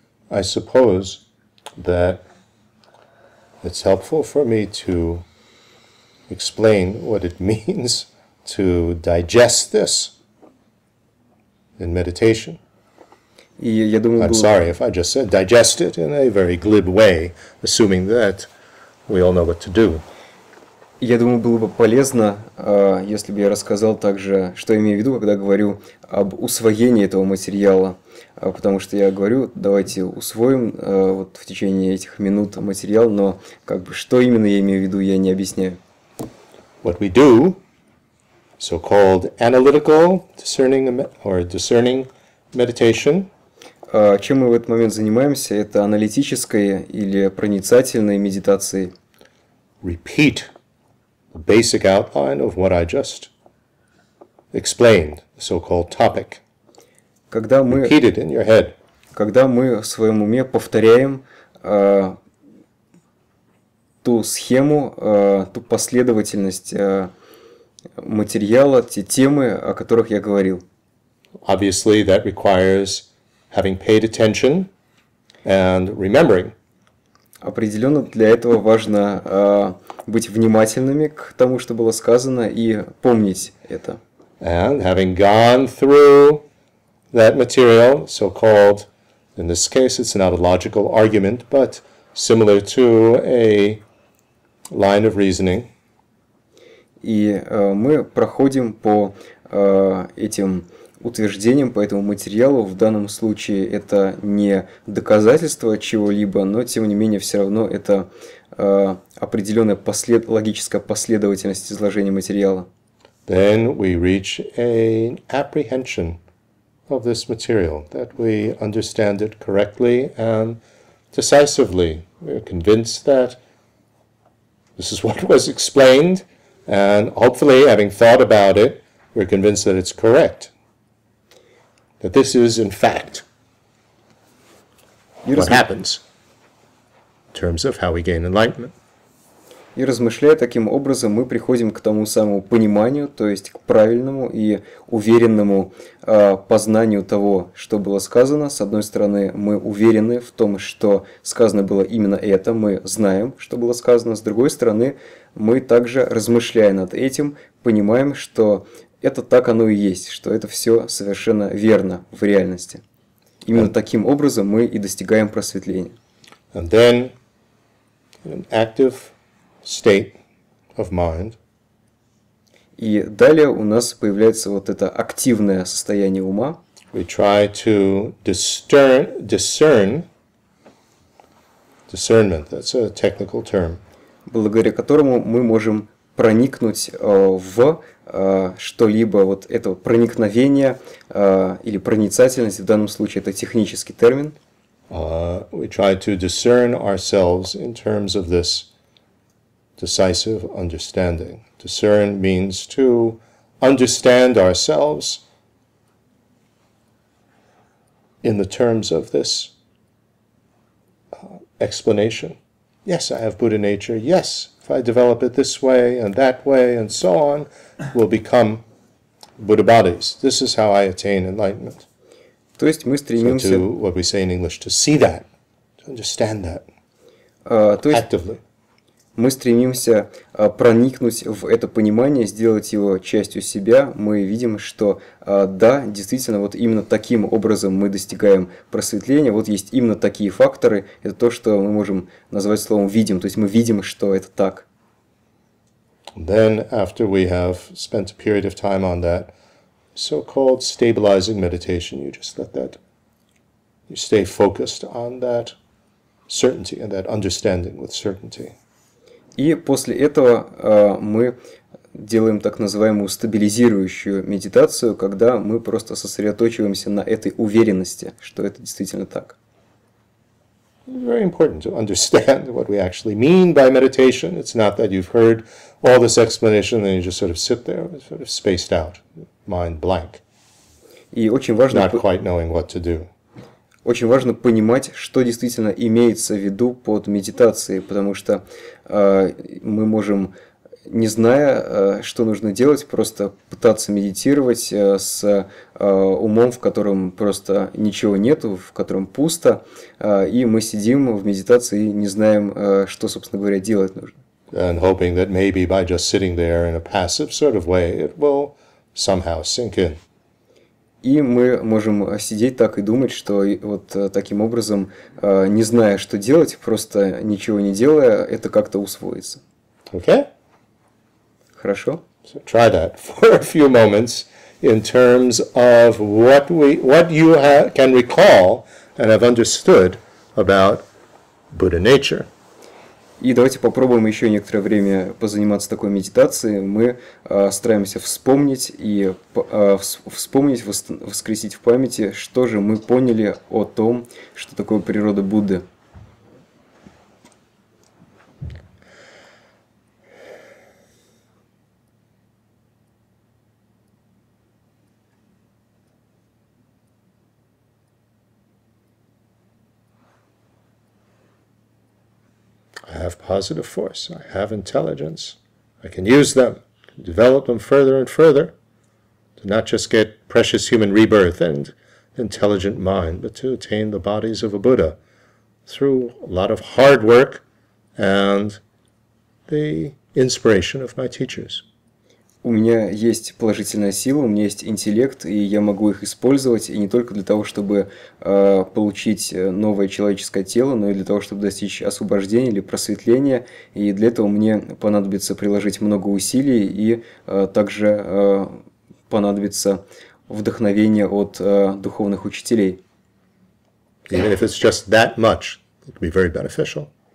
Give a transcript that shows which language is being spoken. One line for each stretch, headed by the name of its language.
English: I suppose that it's helpful for me to explain what it means to digest this in meditation. I'm sorry if I just said digest it in a very glib way, assuming that we all know what to do.
Russian: Я думаю, было бы полезно, если бы я рассказал также, что я имею в виду, когда говорю об усвоении этого материала, потому что я говорю, давайте усвоим вот в течение этих минут материал, но как бы что именно я имею в виду, я не объясняю.
English: What we do, so-called analytical discerning or discerning meditation.
Russian: Чем мы в этот момент занимаемся, это аналитической или проницательной медитацией.
English: Repeat the basic outline of what I just explained, the so-called topic.
Russian: Когда мы,
English: repeat it in your head.
Russian: Когда мы в своем уме повторяем ту схему, ту последовательность материала, те темы, о которых я говорил.
English: Obviously, that requires having paid attention and remembering.
Russian: Определенно для этого важно быть внимательными к тому, что было сказано, и помнить это.
English: And having gone through that material, so-called, in this case, it's not a logical argument, but similar to a line of reasoning.
Russian: И мы проходим по этим утверждением по этому материалу, в данном случае это не доказательство чего-либо, но тем не менее все равно это определенная логическая последовательность изложения материала.
English: Then we reach an apprehension of this material, that we understand it correctly and decisively. We are convinced that this is what was explained, and hopefully, having thought about it, we're convinced that it's correct. That this is, in fact, what happens in terms of how we gain enlightenment.
Russian: И размышляя таким образом, мы приходим к тому самому пониманию, то есть к правильному и уверенному познанию того, что было сказано. С одной стороны, мы уверены в том, что сказано было именно это, мы знаем, что было сказано. С другой стороны, мы также, размышляя над этим, понимаем, что это так оно и есть, что это все совершенно верно в реальности. Именно таким образом мы и достигаем просветления.
English: And then, an active state of mind.
Russian: И далее у нас появляется вот это активное состояние ума.
English: We try to discern, discernment, that's a technical term.
Russian: Благодаря которому мы можем проникнуть в что-либо, вот это проникновение или проницательность, в данном случае это технический термин.
English: We try to discern ourselves in terms of this decisive understanding. Discern means to understand ourselves in the terms of this explanation. Yes, I have Buddha nature. Yes, if I develop it this way and that way and so on, we'll become Buddha bodies. This is how I attain enlightenment.
Russian: То есть мы стремимся...
English: So to what we say in English, to see that, to understand that,
Russian: то есть...
English: actively.
Russian: Мы стремимся проникнуть в это понимание, сделать его частью себя. Мы видим, что да, действительно, вот именно таким образом мы достигаем просветления. Вот есть именно такие факторы. Это то, что мы можем назвать словом «видим». То есть мы видим, что это так.
English: Then, after we have spent a period of time on that so-called stabilizing meditation, you just let that, you stay focused on that certainty and that understanding with certainty.
Russian: И после этого мы делаем так называемую стабилизирующую медитацию, когда мы просто сосредоточиваемся на этой уверенности, что это действительно так.
English: Very important to understand what we actually mean by meditation. It's not that you've heard all this explanation and you just sort of sit there, sort of spaced out, mind blank.
Russian: И очень важно...
English: Not quite knowing what to do.
Russian: Очень важно понимать, что действительно имеется в виду под медитацией, потому что мы можем не зная, что нужно делать, просто пытаться медитировать с умом, в котором просто ничего нету, в котором пусто, и мы сидим в медитации и не знаем, что, собственно говоря, делать нужно.
English: And hoping that maybe by just sitting there in a passive sort of way, it will somehow sink in.
Russian: И мы можем сидеть так и думать, что вот таким образом, не зная, что делать, просто ничего не делая, это как-то усвоится.
English: Okay.
Russian: Хорошо.
English: So try that for a few moments in terms of what you can recall and have understood about Buddha nature.
Russian: И давайте попробуем еще некоторое время позаниматься такой медитацией. Мы стараемся вспомнить и вспомнить, воскресить в памяти, что же мы поняли о том, что такое природа Будды.
English: I have positive force, I have intelligence, I can use them, develop them further and further, to not just get precious human rebirth and intelligent mind, but to attain the bodies of a Buddha through a lot of hard work and the inspiration of my teachers.
Russian: У меня есть положительная сила, у меня есть интеллект, и я могу их использовать, и не только для того, чтобы получить новое человеческое тело, но и для того, чтобы достичь освобождения или просветления, и для этого мне понадобится приложить много усилий, и также понадобится вдохновение от духовных учителей.
English: Even if it's just that much, it could be very beneficial.